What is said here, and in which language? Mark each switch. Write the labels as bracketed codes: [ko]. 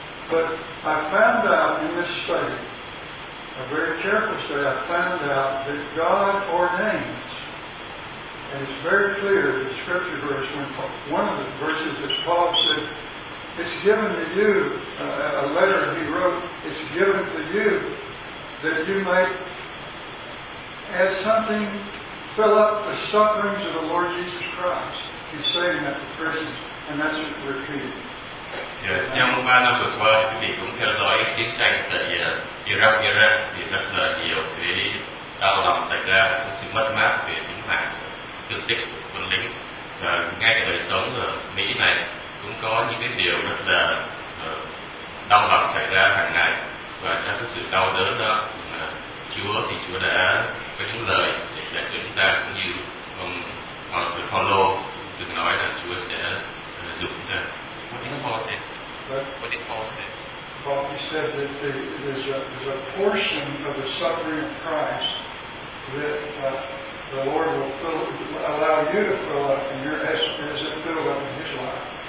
[en] But I found out in this study, a very careful study, I found out that God ordains, and it's very clear the scripture verse, when one of the verses that Paul said, it's given to you, a letter he wrote, it's given to you that you might add something, fill up the sufferings of the Lord Jesus Christ. He's saying that to Christians, and that's repeated. [vi] Trong 3 năm vừa qua, quý vị cũng theo dõi chiến tranh tại Iraq, Iraq thì rất là nhiều cái đau lòng xảy ra, sự mất mát về tính mạng, thương tích của quân lính. Và ngay cả đời sống ở Mỹ này cũng có những cái điều rất là đau lòng xảy ra hàng ngày. Và trong cái sự đau đớn đó, Chúa thì Chúa đã có những lời để cho chúng ta, cũng như ông Paulo từng nói là Chúa sẽ giúp chúng ta. [en] What did Paul say? Paul, he said that there's a portion of the suffering of Christ that the Lord will fill, allow you to fill up in your as it filled up in His life.